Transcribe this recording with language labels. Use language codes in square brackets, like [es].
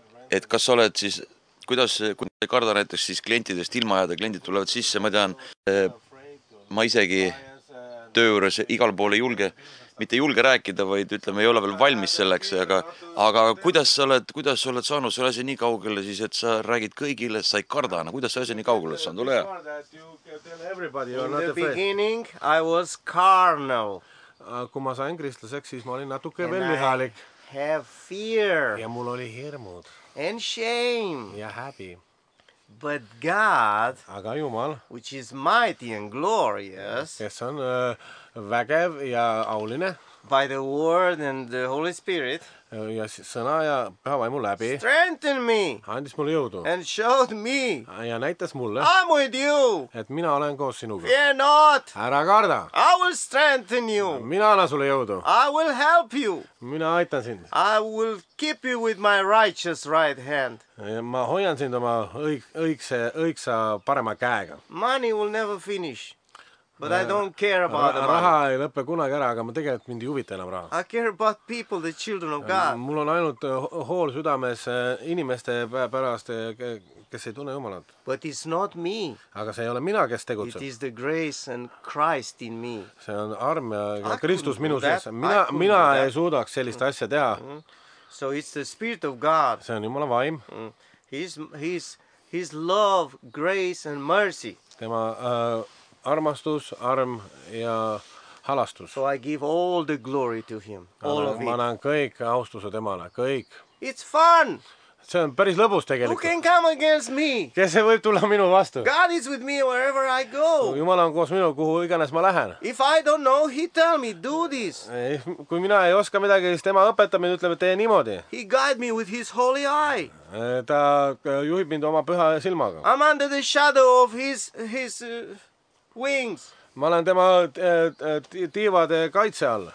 [et] Et kas sa oled siis, kuidas, kui sa karda näiteks siis klientidest ilma jääda, klientid tulevad sisse, ma tean, ma isegi töö juures igal pool ei julge, mitte julge rääkida, vaid ütleme, ei ole veel valmis selleks, aga kuidas sa oled saanud selle asja nii kaugele siis, et sa räägid kõigile, sa ei karda, no kuidas sa asja nii kaugele saanud, ole hea? [en] In the beginning I was carnal. [et] Kui ma sain kristlaseks, siis ma olin natuke veel lihalik. [en] Have fear. [et] Ja mul oli hirmud. [en] And shame. [et] Ja häbi. [en] But God, [et] aga Jumal, [en] which is mighty and glorious, [et] kes on vägev ja auline, [en] by the word and the Holy Spirit, [et] ja sõna ja püha vaimu läbi, [en] strengthen me, [et] andis mulle jõudu, [en] and showed me, [et] ja näitas mulle, [en] I'm with you, [et] et mina olen koos sinuga, [en] fear not, [et] ära karda, [en] I will strengthen you, [et] mina annan sulle jõudu, [en] I will help you, [et] mina aitan sind, [en] I will keep you with my righteous right hand, [et] ma hoian sind oma õigsa parema käega, [en] money will never finish, but I don't care about the money. [et] Raha ei lõppe kunagi ära, aga ma tegelikult mind ei huvita enam raha. [en] I care about people, the children of God. [et] Mul on ainult hool südames inimeste pärast, kes ei tunne Jumalat. [en] But it's not me. [et] Aga see ei ole mina, kes tegutseb. [en] It is the grace and Christ in me. [et] See on arm ja Kristus minu sees. Mina ei suudaks sellist asja teha. [en] So it's the spirit of God. [et] See on Jumala vaim. [en] His love, grace and mercy. [et] Tema armastus, arm ja halastus. [en] So I give all the glory to him. All of it. [et] Ma annan kõik austuse temale, kõik. [en] It's fun. [et] See on päris lõbus tegelikult. [en] Who can come against me? [et] Kes see võib tulla minu vastu? [en] God is with me wherever I go. [et] Jumala on koos minu, kuhu iganes ma lähen. [en] If I don't know, he tell me, do this. [et] Kui mina ei oska midagi, siis tema õpetab mind, ütleb, et tee niimoodi. [en] He guide me with his holy eye. [et] Ta juhib mind oma püha silmaga. [en] I'm under the shadow of his wings. [et] Ma olen tema tiivade kaitse all.